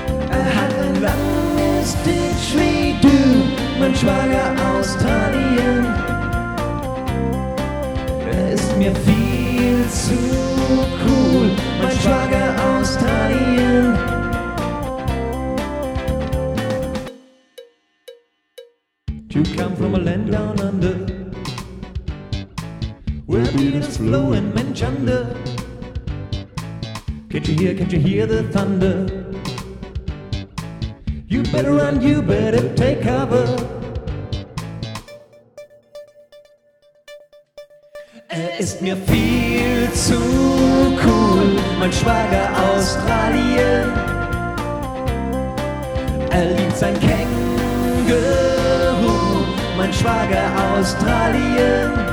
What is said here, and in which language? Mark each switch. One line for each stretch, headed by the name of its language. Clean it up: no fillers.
German: Er hat ein langes Ditch wie du, mein Schwager Australien. Er ist mir viel zu cool, mein Schwager Australien.
English: To come from a land down under, where beaters flow and men chunder. Can't you hear the thunder? You better run, you better take cover.
German: Er ist mir viel zu cool, mein Schwager Australien. Er liebt sein Känguru, mein Schwager Australien.